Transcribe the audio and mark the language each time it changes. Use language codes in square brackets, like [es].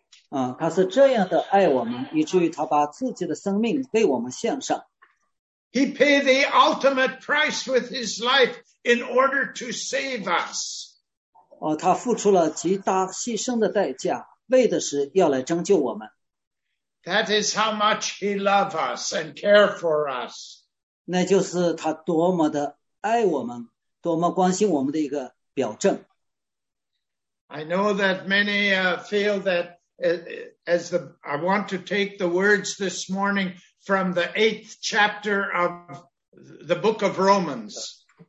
[zh] 他是这样的爱我们，以至于他把自己的生命为我们献上。 [en] He paid the ultimate price with His life in order to save us. [zh] 他付出了极大牺牲的代价，为的是要来拯救我们。 [en] That is how much He loved us and cared for us. [zh] 那就是他多么的爱我们，多么关心我们的一个表证。 [en] I know that many feel that. I want to take the words this morning from the 8th chapter of the book of Romans.